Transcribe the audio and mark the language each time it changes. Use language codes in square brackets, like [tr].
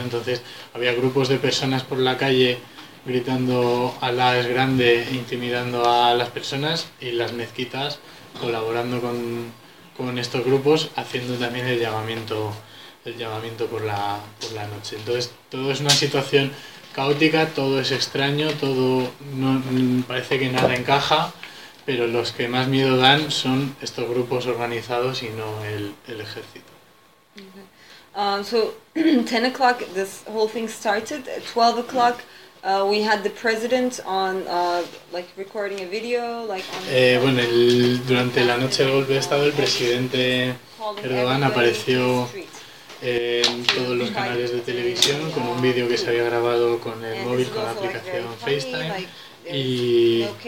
[es] Entonces había grupos de personas por la calle gritando Alá es grande, intimidando a las personas, y las mezquitas colaborando con estos grupos, haciendo también el llamamiento por la noche. Entonces todo es una situación caótica, todo es extraño, todo no parece que nada encaja, pero los que más miedo dan son estos grupos organizados y no el ejército. [en] Okay. So 10 o'clock this whole thing started. At 12 o'clock we had the president on like recording a video, like on the [es] bueno, durante la noche del golpe de estado el presidente Erdogan apareció en todos los canales de televisión con un vídeo que se había grabado con el móvil, con la aplicación FaceTime, y